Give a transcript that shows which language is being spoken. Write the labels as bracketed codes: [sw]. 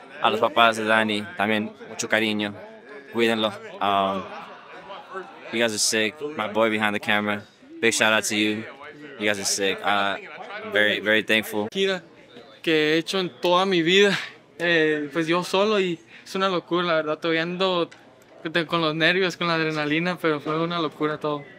[es] A los papás de Danny, también mucho cariño. Cuídenlo. [en] You guys are sick. My boy behind the camera, big shout out to you. You guys are sick. Very, very thankful. [es] Que he hecho en toda mi vida, pues yo solo y es una locura, la verdad, todavía ando con los nervios, con la adrenalina, pero fue una locura todo.